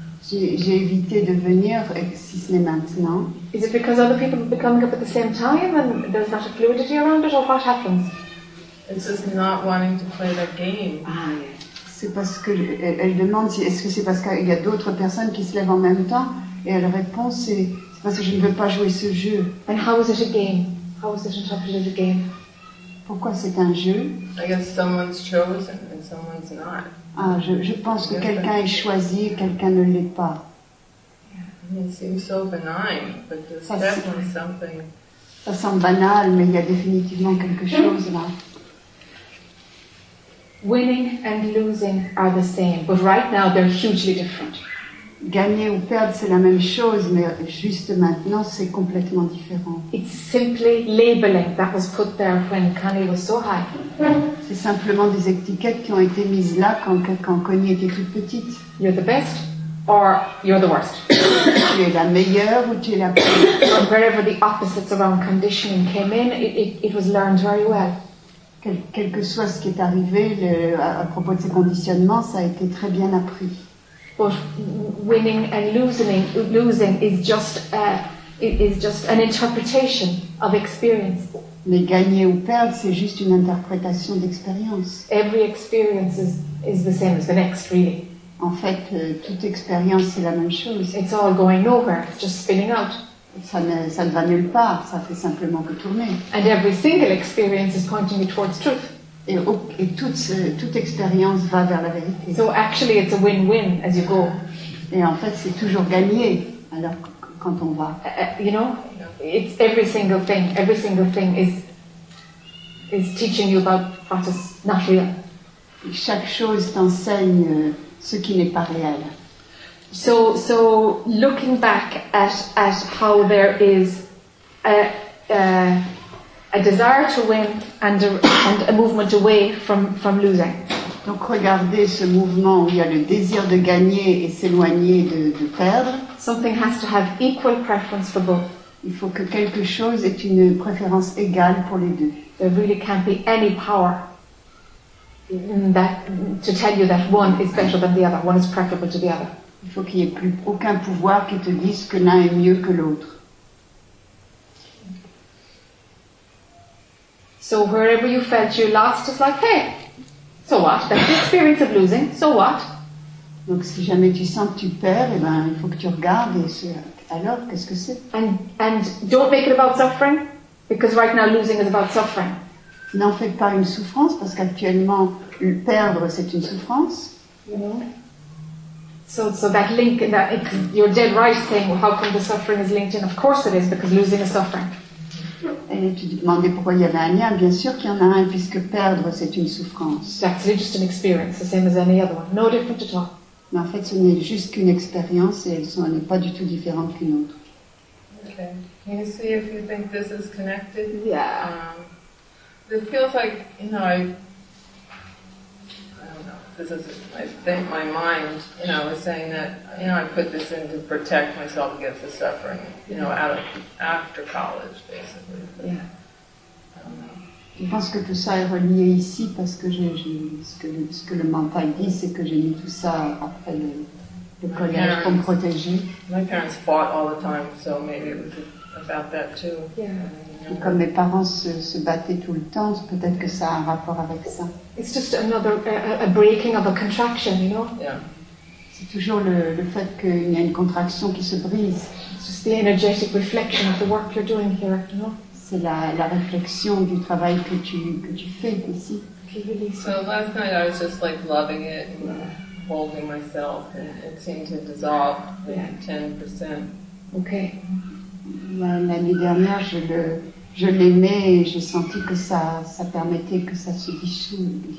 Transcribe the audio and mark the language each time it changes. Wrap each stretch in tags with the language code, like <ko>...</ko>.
<fr>J'ai évité de venir si ce n'est maintenant.</fr> <en>Is it because other people are coming up at the same time and there's not a fluidity around it, or what happens? It's just not wanting to play that game. Ah, yeah.</en> <fr>C'est parce que elle demande si est-ce que c'est parce qu'il y a d'autres personnes qui se lèvent en même temps, et elle répond c'est parce que je ne veux pas jouer ce jeu.</fr> <en>And how is it a game? How is it interpreted as a game?</en> <fr>Pourquoi c'est un jeu?</fr> <en>I guess someone's chosen and someone's not.</en> <fr>Ah, je pense que quelqu'un est choisi et quelqu'un ne l'est pas.</fr> <en>It seems so benign, but there's definitely something.</en> <fr>Ça semble banal, mais il y a définitivement quelque chose là.</fr> <en>Winning and losing are the same, but right now they're hugely different.</en> <fr>Gagner ou perdre, c'est la même chose, mais juste maintenant, c'est complètement différent.</fr> <en>It's simply labeling that was put there when Connie was so high.</en> <fr>C'est simplement des étiquettes qui ont été mises là quand Connie était toute petite.</fr> <en>You're the best or you're the worst.</en> <fr>Tu es la meilleure ou tu es la pire.</fr> <en>And wherever the opposites around conditioning came in, it was learned very well.</en> <fr>Quel que soit ce qui est arrivé à propos de ces conditionnements, ça a été très bien appris.</fr> <en>But winning and losing is just an interpretation of experience.</en> <fr>Mais gagner ou perdre, c'est juste une interprétation d'expérience.</fr> <en>Every experience is the same as the next, really.</en> <fr>En fait, toute expérience c'est la même chose.</fr> <en>It's all going nowhere. It's just spinning out.</en> <fr>Ça ne va nulle part. Ça fait simplement que tourner.</fr> <en>And every single experience is pointing you towards truth.</en> <fr>Et toute expérience va vers la vérité.</fr> <en>So actually it's a win-win as you go.</en> <fr>Et en fait, c'est toujours gagné alors quand on va.</fr> <en>You know, it's every single thing. Every single thing is teaching you about what is not real.</en> <fr>Et chaque chose t'enseigne ce qui n'est pas réel.</fr> <en>So looking back at how there is a desire to win and a movement away from losing.</en> <fr>Donc regardez ce mouvement où il y a le désir de gagner et s'éloigner de perdre.</fr> <en>Something has to have equal preference for both.</en> <fr>Il faut que quelque chose ait une préférence égale pour les deux.</fr> <en>There really can't be any power to tell you that one is better than the other, one is preferable to the other.</en> <fr>Il faut qu'il n'y ait plus aucun pouvoir qui te dise que l'un est mieux que l'autre.</fr> <en>So wherever you felt you lost, it's like, hey, so what? That's the experience of losing. So what?</en> <fr>Donc si jamais tu sens que tu perds, eh ben il faut que tu regardes et alors qu'est-ce que c'est?</fr> <en>And don't make it about suffering, because right now losing is about suffering.</en> <fr>N'en fais pas une souffrance parce qu'actuellement perdre c'est une souffrance.</fr> <en>You know. So that link that you're dead right saying, well, how come the suffering is linked in? Of course it is, because losing is suffering.</en> <fr>Et tu te demandais pourquoi il y avait un lien. Bien sûr qu'il y en a un, puisque perdre, c'est une souffrance.</fr> <en>That's just an experience, the same as any other one. No different at all.</en> <fr>Mais en fait, ce n'est juste qu'une expérience et elle n'est pas du tout différente qu'une autre.</fr> <en>Okay. Can you see if you think this is connected? Yeah. It feels like, you know, I don't know, this is, I think my mind, you know, was saying that, you know, I put this in to protect myself against the suffering, you know, after college, basically.</en> <fr>Je pense que tout ça est relié ici parce que ce que le mental dit, c'est que j'ai mis tout ça après le collège pour me protéger.</fr> <en>My parents fought all the time, so maybe it was about that too. Yeah.</en> <fr>Et comme mes parents se battaient tout le temps, peut-être que ça a un rapport avec ça.</fr> <en>It's just another a breaking of a contraction, you know. Yeah.</en> <fr>C'est toujours le fait qu'il y a une contraction qui se brise.</fr> <en>It's just the energetic reflection of the work you're doing here, you know.</en> <fr>C'est la réflexion du travail que tu fais ici.</fr> <en>So last night I was just like loving it and holding myself and it seemed to dissolve like 10%. Okay.</en> <fr>L'année dernière je l'aimais et j'ai senti que ça permettait que ça se dissolve.</fr>